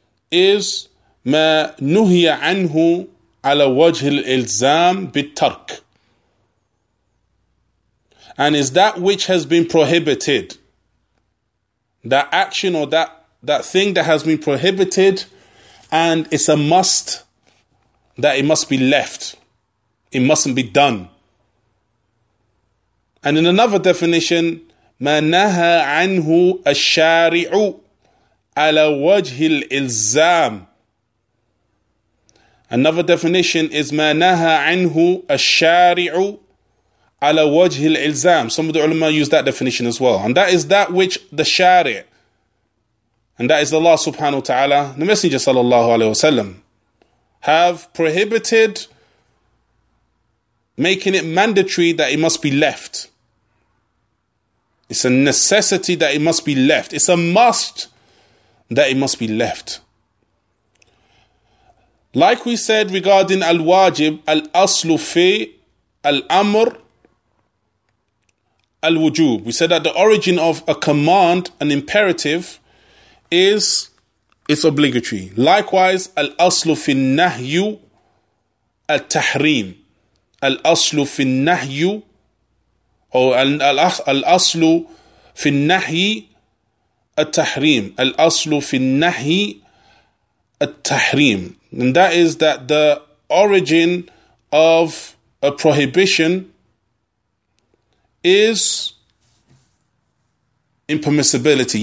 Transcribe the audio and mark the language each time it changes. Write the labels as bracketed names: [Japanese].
[English] is [Arabic] ما نهي عنه على وجه الإلزام بالترك. [English] And is that which has been prohibited. That action or that thing that has been prohibited and it's a must that it must be left. It mustn't be done. And in another definition, [Arabic] مَا نَهَى عَنْهُ الشَّارِعُ عَلَى وَجْهِ الْإِلْزَامِ. [English] Another definition is [Arabic] مَا نَهَى عَنْهُ الشَّارِعُ عَلَى وَجْهِ الْإِلْزَامِ. [English] Some of the ulama use that definition as well. And that is that which the shari', and that is Allah subhanahu wa ta'ala, the Messenger sallallahu alayhi wa sallam, have prohibited, making it mandatory that it must be left. It's a necessity that it must be left. It's a must that it must be left. Like we said regarding [Arabic] al-wajib, al-aslu fi al-amr al-wujub. [English] We said that the origin of a command, an imperative, is it's obligatory. Likewise, [Arabic] al-aslu fi nahyu al-tahrim. Al-aslu fi nahyu [English] or [Arabic] al-aslu في النهي التحريم الأصل في النهي التحريم. [English] And that is that the origin of a prohibition is impermissibility.